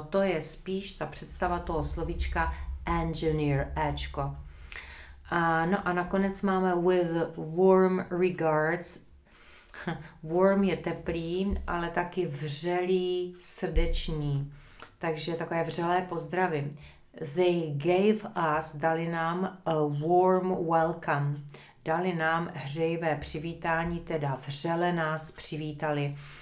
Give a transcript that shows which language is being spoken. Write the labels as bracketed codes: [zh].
[cs] To je spíš ta představa toho slovička engineer, Ečko. No a nakonec máme with warm regards. Warm je teplý, ale taky vřelý, srdeční. Takže takové vřelé pozdravy. [en] They gave us, [cs] dali nám [en] a warm welcome. [cs] Dali nám hřejivé přivítání, teda vřele nás přivítali.